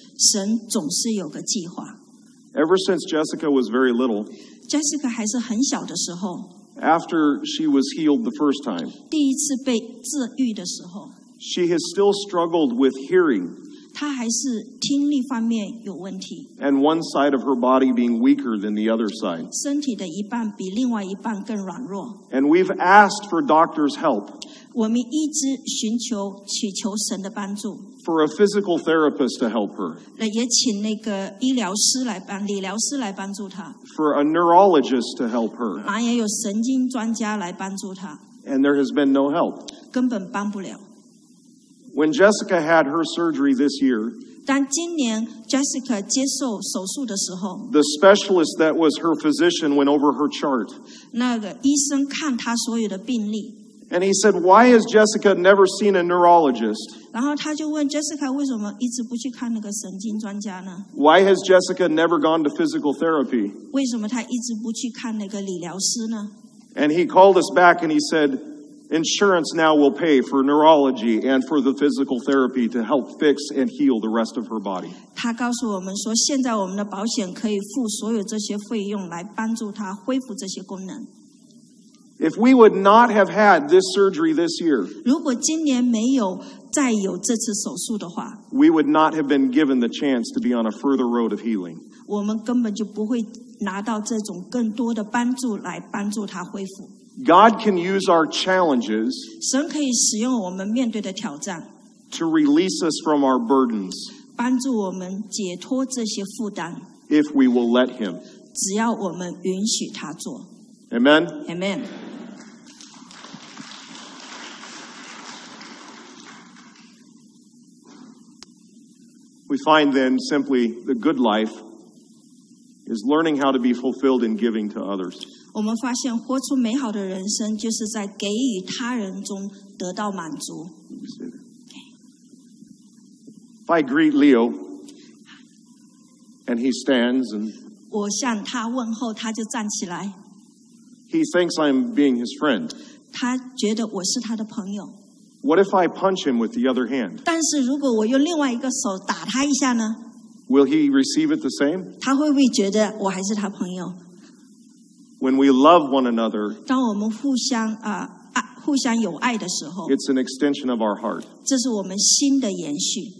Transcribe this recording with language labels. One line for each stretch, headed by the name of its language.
Chinese: 神总是有个计划。
English: Ever since Jessica was very little,
Chinese: Jessica 还是很小的时候，
English: after she was healed the first time,
Chinese: 第一次被治愈的时候，
English: she has still struggled with hearing.
Chinese: 她还是听力方面有问题。
English: And one side of her body being weaker than the other side.
Chinese: 身体的一半比另外一半更软弱。
English: And we've asked for doctor's help.
Chinese: 我们一直祈求神的帮助。
English: For a physical therapist to help her.
Chinese: 也请那个医疗师来帮，理疗师来帮助她。
English: For a neurologist to help her.
Chinese: 也有神经专家来帮助她。
English: And there has been no help.
Chinese: 根本帮不了。
English: When Jessica had her surgery this year,
Chinese: 当今年 Jessica 接受手术的时候，
English: the specialist that was her physician went over her chart.
Chinese: 那个医生看她所有的病历。
English: And he said, why has Jessica never seen a neurologist?
Chinese: 然后他就问 Jessica 为什么一直不去看那个神经专家呢？
English: Why has Jessica never gone to physical therapy?
Chinese: 为什么她一直不去看那个理疗师呢？
English: And he called us back and he said,Insurance now will pay for neurology and for the physical therapy to help fix and heal the rest of her body.
Chinese: 他告诉我们说，现在我们的保险可以付所有这些费用来帮助她恢复这些功能。
English: If we would not have had this surgery this year,
Chinese: 如果今年没有再有这次手术的话，
English: we would not have been given the chance to be on a further road of healing.
Chinese: 我们根本就不会拿到这种更多的帮助来帮助她恢复。
English: God can use our challenges
Chinese: 神可以使用我们面对的挑战
English: to release us from our burdens
Chinese: 帮助我们解脱这些负担
English: if we will let him
Chinese: 只要我们允许他做
English: Amen? Amen. We find then simply the good life is learning how to be fulfilled in giving to others.
Chinese: 我们发现活出美好的人生就是在给予他人中得到满足。
English: If I greet Leo, and he stands and
Chinese: 我向他问候，他就站起来。
English: He thinks I'm being his friend.
Chinese: 他觉得我是他的朋友。
English: What if I punch him with the other hand?
Chinese: 但是如果我用另外一个手打他一下呢？
English: Will he receive it the same?
Chinese: 他会不会觉得我还是他朋友？
English: When we love one another,
Chinese: 当我们互相有爱的时候，
English: it's an extension of our heart.
Chinese: 这是我们心的延续。